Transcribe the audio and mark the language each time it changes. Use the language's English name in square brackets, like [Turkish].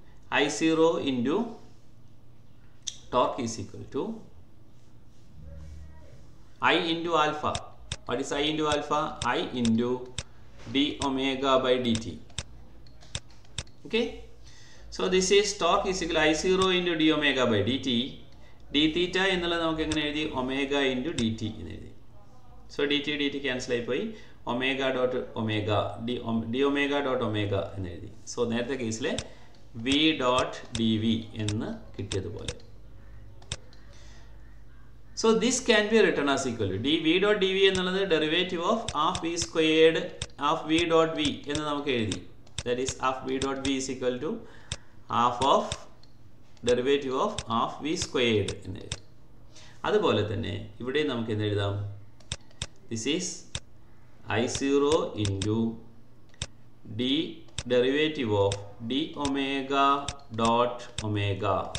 [English] I zero into torque is equal to I into alpha. What is I into alpha? I into d omega by dt. Okay. So this is torque is equal to I zero into d omega by dt. [Malayalam] D theta ennalla namukku engane ezhuthi omega into dt ennu ezhuthi. So D T D T cancel ആയിപ്പോയി omega dot omega D omega dot omega എന്ന് എഴുതി. So നേരത്തെ കേസിലെ V dot D V എന്ന് കിട്ടിയതുപോലെ. [English] so this can be written as equal to D V dot D V എന്നുള്ളത് derivative of half V squared half V dot V [Malayalam] എന്ന് നമുക്ക് എഴുതി. [English] that is half V dot V is equal to half of derivative of half V squared [Malayalam] എന്ന് എഴുതി. അതുപോലെ തന്നെ ഇവിടെയും നമുക്ക് എന്ത് എഴുതാം? [English] This is I zero into d derivative of d omega dot omega.